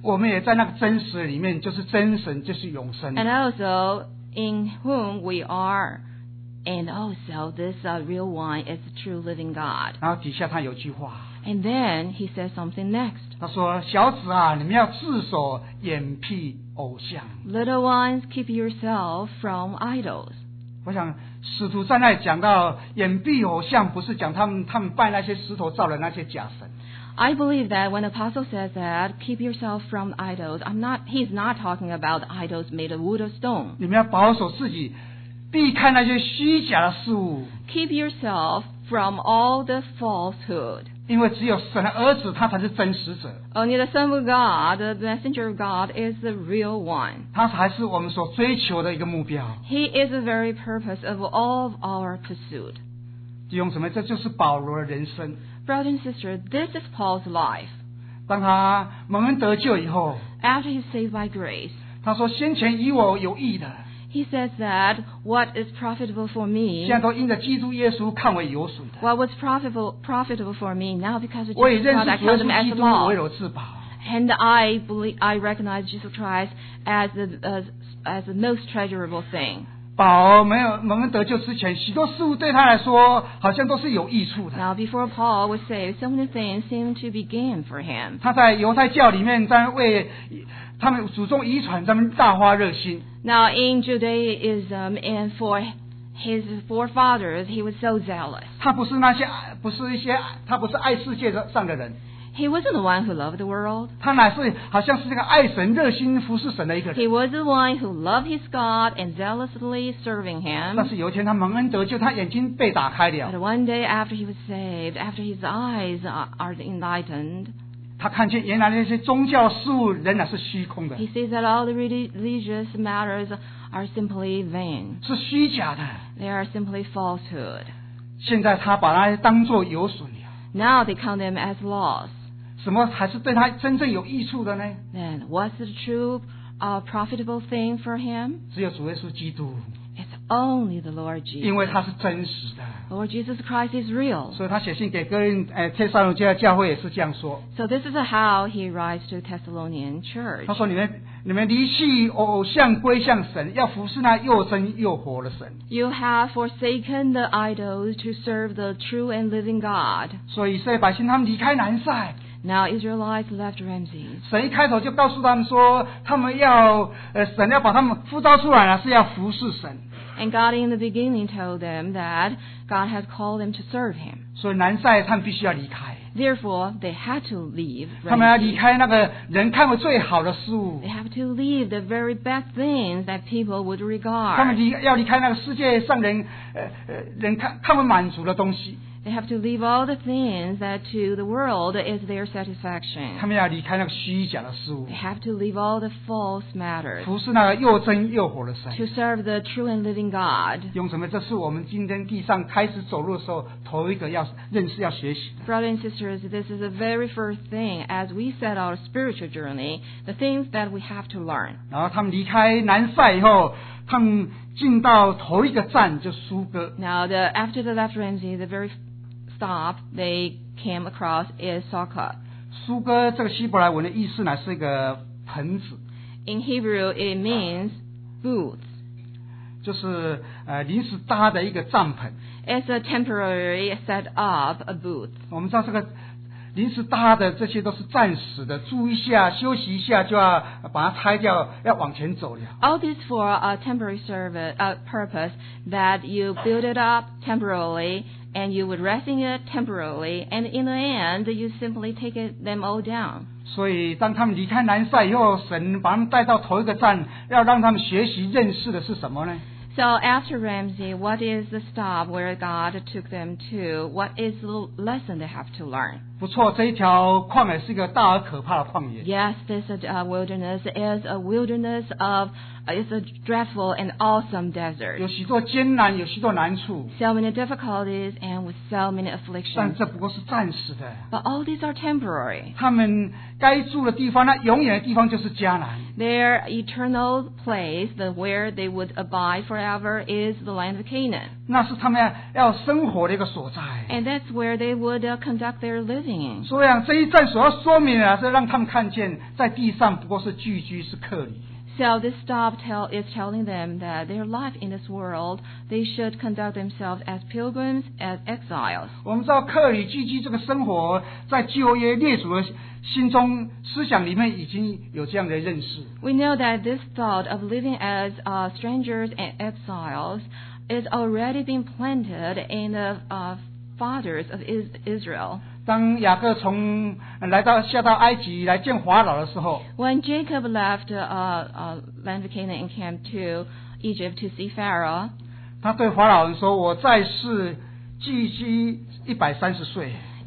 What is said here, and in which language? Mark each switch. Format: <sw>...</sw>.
<zh>我们也在那个真实里面，就是真神，就是永生。</zh> <en>And also in whom we are, and also this real one is the true living God.</en> <zh>然后底下他有句话。</zh> <en>And then he says something next.</en> <zh>他说：“小子啊，你们要自守眼僻。” 偶像</zh> <en>Little ones, keep yourself from idols.</en> <zh>我想使徒在那里讲到眼闭偶像，不是讲他们拜那些石头造的那些假神。</zh> <en>I believe that when the apostle says that, keep yourself from idols. He's not talking about idols made of wood or stone.</en> <zh>你们要保守自己，避开那些虚假的事物。</zh> <en>Keep yourself from all the falsehood.</en> <zh>因为只有神的儿子他才是真实者。</zh> <en>Only the Son of God, the Messenger of God, is the real one.</en> <zh>他才是我们所追求的一个目标。</zh> <en>He is the very purpose of all of our pursuit.</en> <zh>弟兄姊妹，这就是保罗的人生。</zh> <en>Brother and sister, this is Paul's life.</en> <zh>当他蒙恩得救以后。</zh> <en>After he's saved by grace.</en> <zh>他说先前与我有益的。</zh> <en>He says that what is profitable for me,</en> <zh>现在都因着基督耶稣看为有损的。</zh> <en>What was profitable for me now because of Jesus Christ, I count them as loss.</en> <zh>我也认识耶稣基督为我至宝。</zh> <en>And I believe I recognize Jesus Christ as the most treasurable thing.</en> <zh>保没有蒙恩得救之前，许多事物对他来说好像都是有益处的。</zh> <en>Now before Paul was saved, so many things seemed to be gain for him.</en> <zh>他在犹太教里面在为他们祖宗遗传在那边大花热心。</zh> <en>Now in Judaism and for his forefathers, he was so zealous.</en> <zh>他不是那些不是一些他不是爱世界上的人。</zh> <en>He wasn't the one who loved the world.</en> <zh>他乃是好像是那个爱神热心服侍神的一个人。</zh> <en>He was the one who loved his God and zealously serving him.</en> <zh>但是有一天他蒙恩得救，他眼睛被打开了。</zh> <en>But one day after he was saved, after his eyes are enlightened,</en> <zh>他看见原来那些宗教事物仍然是虚空的。</zh> <en>He sees that all the religious matters are simply vain.</en> <zh>是虚假的。</zh> <en>They are simply falsehood.</en> <zh>现在他把那些当作有损。</zh> <en>Now they count them as loss.</en> <zh>什么才是对他真正有益处的呢？</zh> <en>Then what's the true profitable thing for him?</en> <zh>只有主耶稣基督。</zh> <en>It's only the Lord Jesus.</en> <zh>因为他是真实的。</zh> <en>Lord Jesus Christ is real.</en> <zh>所以他写信给哥林帖撒罗尼迦教会也是这样说。</zh> <en>So this is how he writes to Thessalonian church.</en> <zh>他说你们离弃偶像归向神，要服侍那又真又活的神。</zh> <en>You have forsaken the idols to serve the true and living God.</en> <zh>所以以色列百姓他们离开南塞。</zh> <en>Now Israelites left Ramses.</en> <zh>神一开头就告诉他们说，他们要神要把他们呼召出来了，是要服侍神。</zh> <en>And God in the beginning told them that God had called them to serve Him.</en> <zh>所以南塞他们必须要离开。</zh> <en>Therefore, they had to leave.</en> <zh>他们要离开那个人看为最好的事物。</zh> <en>They have to leave the very best things that people would regard.</en> <zh>他们要离开那个世界上人看为满足的东西。</zh> <en>They have to leave all the things that to the world is their satisfaction.</en> <zh>他们要离开那个虚假的事物。</zh> <en>They have to leave all the false matters.</en> <zh>服侍那个又真又活的神。</zh> <en>To serve the true and living God.</en> <zh>用什么？这是我们今天地上开始走路的时候，头一个要认识、要学习的。</zh> <en>Brothers and sisters, this is the very first thing as we set our spiritual journey, the things that we have to learn.</en> <zh>然后他们离开南塞以后，他们进到头一个站就苏哥。</zh> <en>Now after the left Ramsey, the very stop they came across is Sokka.</en> <zh>苏哥这个希伯来文的意思呢是一个盆子。</zh> <en>In Hebrew, it means booth.</en> <zh>就是临时搭的一个帐篷。</zh> <en>It's a temporary set up a booth.</en> <zh>我们知道这个临时搭的这些都是暂时的，住一下休息一下就要把它拆掉，要往前走了。</zh> <en>All this for a temporary purpose that you build it up temporarily and you would rest in it temporarily and in the end you simply take them all down.</en> <zh>所以当他们离开南塞以后，神把他们带到头一个站，要让他们学习认识的是什么呢？</zh> <en>So after Ramsey, what is the stop where God took them to? What is the lesson they have to learn?</en> <zh>不错，这一条旷野是一个大而可怕的旷野。</zh> <en>Yes, this wilderness is a wilderness of, it's a dreadful and awesome desert.</en> <zh>有许多艰难，有许多难处。</zh> <en>So many difficulties and with so many afflictions.</en> <zh>但这不过是暂时的。</zh> <en>But all these are temporary.</en> <zh>他们该住的地方，那永远的地方就是迦南。</zh> <en>Their eternal place, the where they would abide forever, is the land of Canaan.</en> <zh>那是他们要生活的一个所在。</zh> <en>And that's where they would conduct their living.</en> <zh>所以这一站所要说明的是让他们看见在地上不过是寄居，是客旅。</zh> <en>So this stop is telling them that their life in this world, they should conduct themselves as pilgrims, as exiles.</en> <zh>我们知道客旅寄居这个生活，在旧约列祖的心中思想里面已经有这样的认识。</zh> <en>We know that this thought of living as strangers and exiles is already being planted in the fathers of Israel.</en> <zh>当雅各从来到下到埃及来见法老的时候</zh> <en>，When Jacob left land of Canaan and came to Egypt to see Pharaoh，</en> <zh>他对法老人说：“我在世寄居130岁。”</zh>